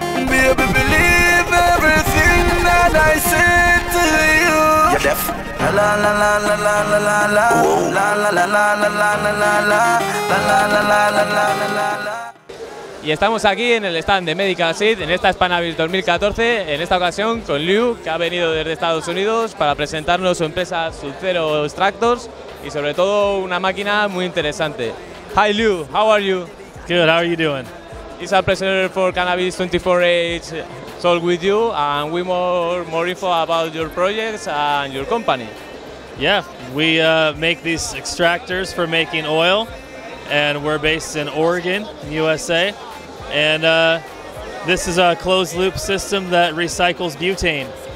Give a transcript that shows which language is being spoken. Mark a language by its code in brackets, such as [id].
[en] Baby, believe everything that I said to you. You're deaf. La la la la la la la la la la la la la la la la la la la la la la la la la la. [es] Y estamos aquí en el stand de Medical Seed, en esta Spannabis 2014, en esta ocasión con Lew, que ha venido desde Estados Unidos para presentarnos su empresa Subzero Extractors y sobre todo una máquina muy interesante. [en] Hi Lew, how are you? Good, how are you doing? It's a pleasure for Cannabis 24H talk with you, and we more info about your projects and your company. Yeah, we make these extractors for making oil. And we're based in Oregon, USA. And this is a closed loop system that recycles butane.